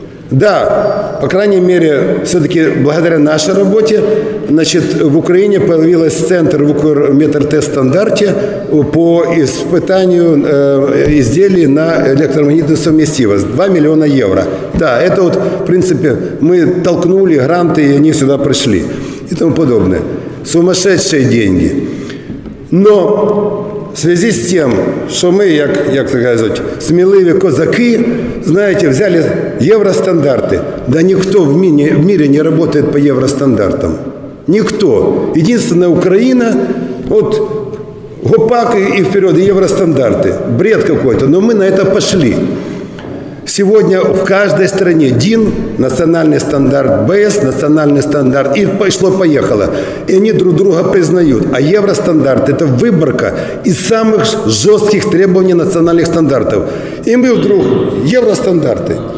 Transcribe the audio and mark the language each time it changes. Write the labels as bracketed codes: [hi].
[ru] Да, по крайней мере, все-таки благодаря нашей работе, значит, в Украине появился центр в Укрметтестстандарте по испытанию изделий на электромагнитную совместимость. 2 миллиона евро. Да, это вот, в принципе, мы толкнули гранты, и они сюда пришли и тому подобное. Сумасшедшие деньги. Но в связи [uk] з тим, що ми, як це кажуть, сміливі козаки, знаєте, взяли євростандарти. Да ніхто в мірі не працює по євростандартам. Ніхто. Єдинственна Україна, от гопак і вперед, євростандарти. [ru] Бред какой-то, [uk] но ми на це пішли. [ru] Сегодня в каждой стране ДИН, национальный стандарт БС, национальный стандарт, и пошло-поехало. И они друг друга признают. А евростандарт – это выборка из самых жестких требований национальных стандартов. И мы вдруг – евростандарты.